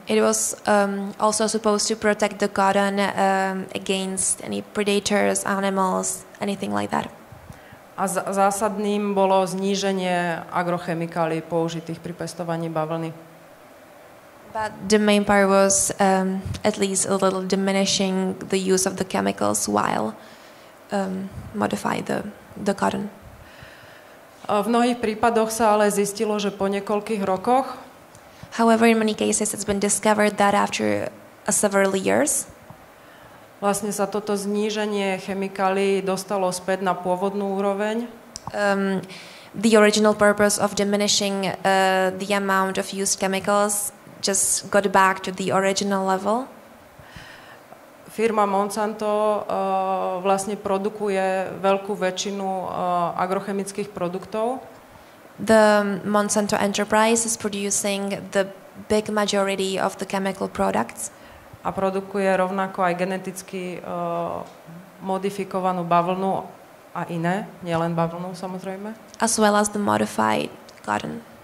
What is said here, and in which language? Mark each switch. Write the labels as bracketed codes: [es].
[en] It was also supposed to protect the cotton against any predators, animals, anything like that. [sk] A zásadným bolo zníženie agrochemikálií použitých pri pestovaní bavlny. [en] But the main part was at least a little diminishing the use of the chemicals while modify the cotton. [sk] V mnohých prípadoch sa ale zistilo, že po niekoľkých rokoch. [en] However, in many cases it's been discovered that after several years. [sk] Vlastne sa toto zníženie chemikálií dostalo späť na pôvodnú úroveň. [en] The original purpose of diminishing the amount of used chemicals just got back to the original level. [sk] Firma Monsanto vlastne produkuje veľkú väčšinu agrochemických produktov. [en] The Monsanto enterprise is producing the big majority of the chemical products. [sk] A produkuje rovnako aj geneticky modifikovanú bavlnu a iné, nielen bavlnu samozrejme. [en] As well as the modified cotton.